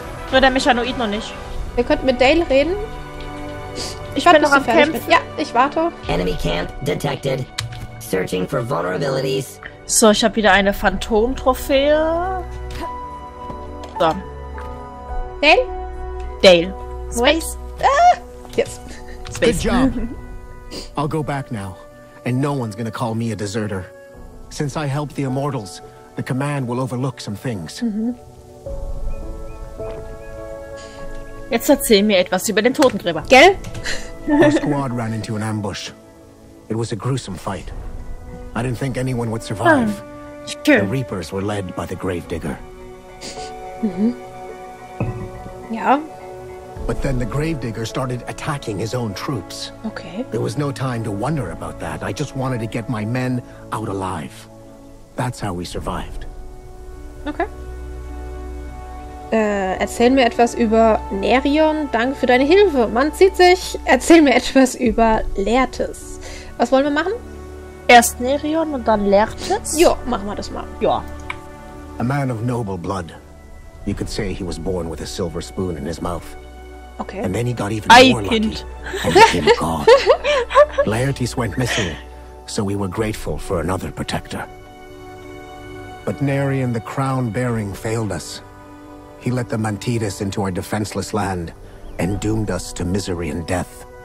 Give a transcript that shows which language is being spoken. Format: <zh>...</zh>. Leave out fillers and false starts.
<de>Nur der Mechanoid noch nicht. Ihr könnt mit Dale reden. Ich warte, bin noch am Kämpfen. Ja, ich warte.</de> <en>Enemy camp detected. Searching for vulnerabilities.</en> <de>So, ich habe wieder eine Phantom-Trophäe. So. Dale? Dale.</de> <en>Space. Yes. Space. Good job. I'll go back now. And no one's gonna call me a deserter. Since I helped the Immortals, the command will overlook some things. Mm-hmm.</en> <de>Jetzt erzähl mir etwas über den Totengräber. Gell?</de> <en>Our squad ran into an ambush. It was a gruesome fight. I didn't think anyone would survive. Sure. The Reapers were led by the Gravedigger. Mm-hmm. Yeah. But then the Gravedigger started attacking his own troops. Okay. There was no time to wonder about that. I just wanted to get my men out alive. That's how we survived. Okay.</en> <de>Erzähl mir etwas über Nerion. Danke für deine Hilfe. Man sieht sich. Erzähl mir etwas über Laertes. Was wollen wir machen? Erst Nerion und dann Laertes? Ja, machen wir das mal. Ja.</de> <en>A man of noble blood. You could say he was born with a silver spoon in his mouth. Okay. And then he got even more lucky and became a god. Laertes went missing, so we were grateful for another protector. But Nerion, the crown-bearing, failed us. He let the Mantidus into our defenseless land and doomed us to misery and death.</en>